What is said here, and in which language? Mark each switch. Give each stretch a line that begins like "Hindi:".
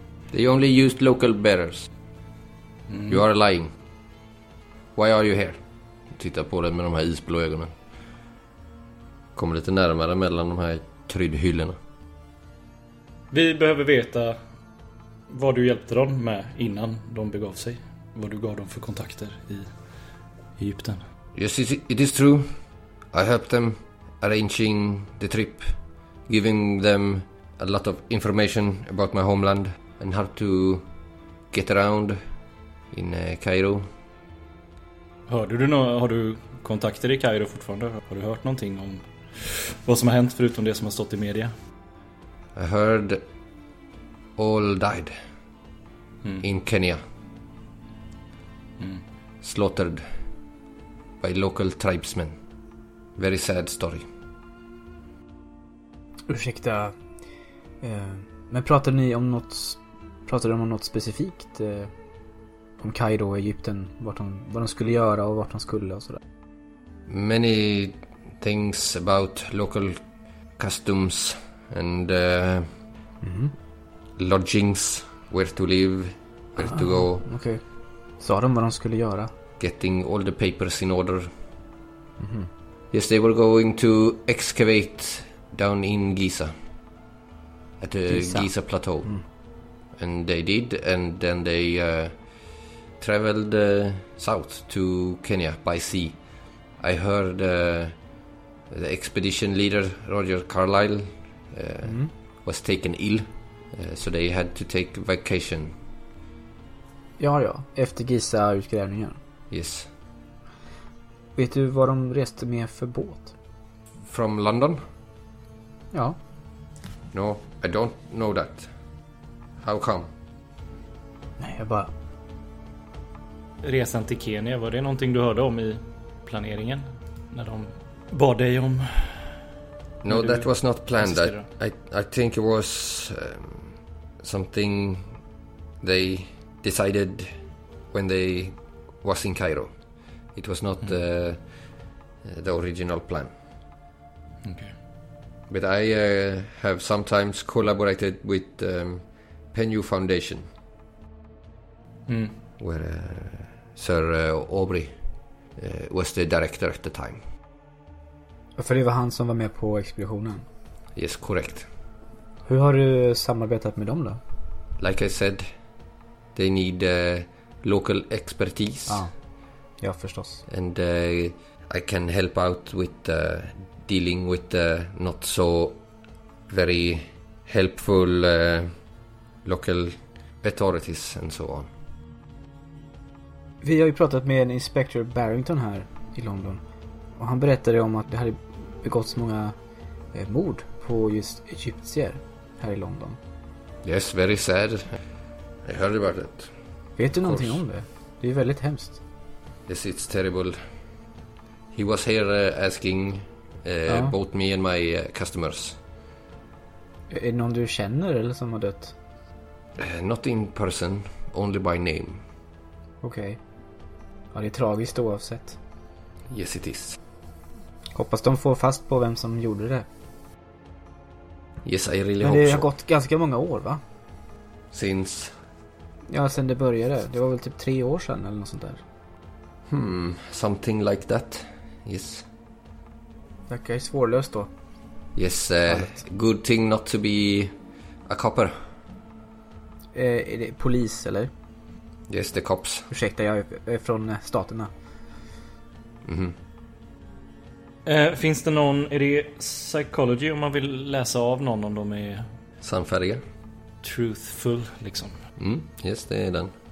English: They only used local bearers. You are lying. Why are you here?
Swedish: Titta på den med de här isblå ögonen. Kommer lite närmare mellan de här kryddhyllorna. Vi behöver veta vad du hjälpte dem med innan de begav sig. Vad du gav dem för kontakter i Egypten.
English: Yes, it is true. I helped them arranging the trip. Giving them a lot of information about my homeland. And how to get around in Cairo.
Swedish: Har du kontakter i Cairo fortfarande? Har du hört någonting om vad som har hänt förutom det som har stått i media?
English: I heard all died in Kenya. Slaughtered by local tribesmen. Very sad story.
Swedish: Ursäkta, men pratade de om något specifikt? Om Kairo och Egypten, vad de skulle göra och vart de skulle och sådär.
English: Many things about local customs and lodgings, where to live, where to go.
Swedish: Okay. Sa de vad de skulle göra?
English: Getting all the papers in order. Mm-hmm. Yes, they were going to excavate down in Giza. At the Giza plateau. Mm. And they did, and then they traveled south to Kenya by sea. I heard the expedition leader Roger Carlyle was taken ill, so they had to take vacation.
Swedish: Ja, efter Giza-utgrävningen.
English: Yes.
Swedish: Vet du vad de reste med för båt?
English: From London?
Swedish: Ja.
English: No, I don't know that. How come?
Swedish: Nej, jag bara... Resan till Kenya, var det någonting du hörde om i planeringen? När de bad dig om...
English: No, that was not planned. I think it was something they decided when they was in Cairo. It was not the original plan. Okay. But I have sometimes collaborated with Penyu Foundation. Where... Sir Aubrey was the director at the time.
Swedish: För det var han som var med på expeditionen?
English: Yes, correct.
Swedish: Hur har du samarbetat med dem då?
English: Like I said, they need local expertise.
Swedish: Ja, förstås.
English: And I can help out with dealing with not so very helpful local authorities and so on.
Swedish: Vi har ju pratat med en inspektör Barrington här i London. Och han berättade om att det hade begåtts många mord på just egyptier här i London.
English: Yes, very sad. I heard about it.
Swedish: Vet du någonting om det? Det är väldigt hemskt.
English: Yes, it's terrible. He was here asking both me and my customers.
Swedish: Är det någon du känner eller som har dött?
English: Not in person, only by name.
Swedish: Okej. Okay. Ja, det är tragiskt oavsett.
English: Yes, it is.
Swedish: Hoppas de får fast på vem som gjorde det.
English: Yes, I really hope so.
Swedish: Men det har gått ganska många år, va?
English: Since?
Swedish: Ja, sen det började. Det var väl typ 3 år sedan eller något sånt där.
English: Hmm, something like that. Yes.
Swedish: Verkar ju svårlöst då.
English: Yes, good thing not to be a copper.
Swedish: Är det polis, eller?
English: Yes, the cops.
Swedish: Ursäkta, jag är från staterna. Mm-hmm. Finns det någon, är det psychology om man vill läsa av någon om de är sannfärdiga? Truthful, liksom. Mm, yes, det är den.